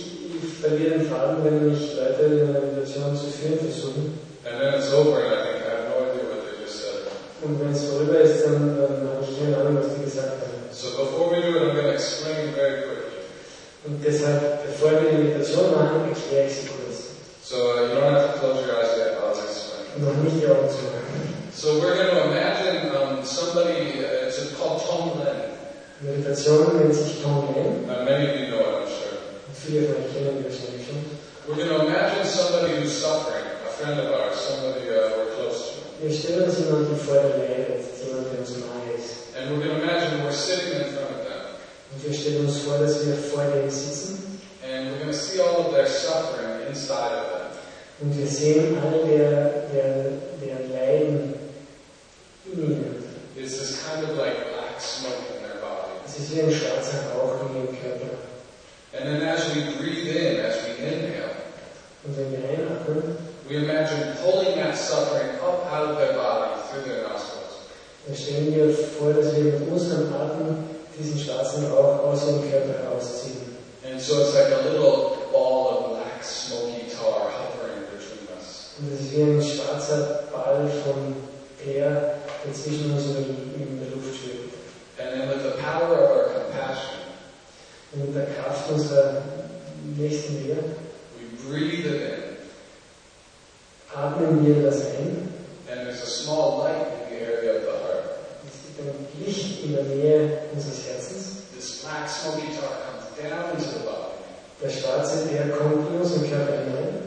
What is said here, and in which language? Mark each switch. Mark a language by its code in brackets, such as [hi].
[en] And then it's over, and I think I have no idea what they just said. [de] Und wenn es vorüber ist, dann habe ich keine Ahnung, was die gesagt haben. [en] So before we do it, I'm going to explain very quickly. [de] Und deshalb, bevor wir die Meditation machen, erkläre ich sie kurz. [en] So you don't have to close your eyes yet, I'll explain. [de] Und noch nicht die Augen zu machen. [en] So we're going to imagine somebody, is it called Tom Lennon? [de] Meditation nennt sich Tom Lennon. [en] Many of you know it, I'm sure. [de] Und viele von euch kennen die wahrscheinlich schon. [en] We're going to imagine somebody who's suffering, a friend of ours, somebody we're close to. [de] Wir stellen uns jemanden vor, der leidet, jemanden, der uns nahe ist. [en] And we're going to imagine we're sitting in front of them. [de] Und wir stellen uns vor, dass wir vor denen sitzen. [en] And we're going to see all of their suffering inside of them. [de] Und wir sehen alle der Leiden in ihnen. [en] It's this kind of like black smoke in their body. [de] Es ist wie ein schwarzer Rauch in ihrem Körper. [en] And then as we breathe in, as we inhale, [de] und wenn wir einatmen, [en] we imagine pulling that suffering up out of their body through their nostrils. [de] Wir stellen dir vor, dass wir mit unserem Atem diesen schwarzen Rauch aus dem Körper herausziehen. [en] And so it's like a little ball of black smoky tar hovering between us. [de] Und es ist wie ein schwarzer Ball von Teer, der zwischen uns in der Luft schwebt. [en] And then with the power of our compassion, [de] und mit der Kraft unserer nächsten Liebe, [en] we breathe it in. [de] Atmen wir das ein. [en] And there's a small light in the area of the heart. [de] Es gibt ein Licht in der Nähe unseres Herzens. [en] This black smoky tar comes down into the body. [de] Der schwarze Teer kommt in unseren Körper hinein.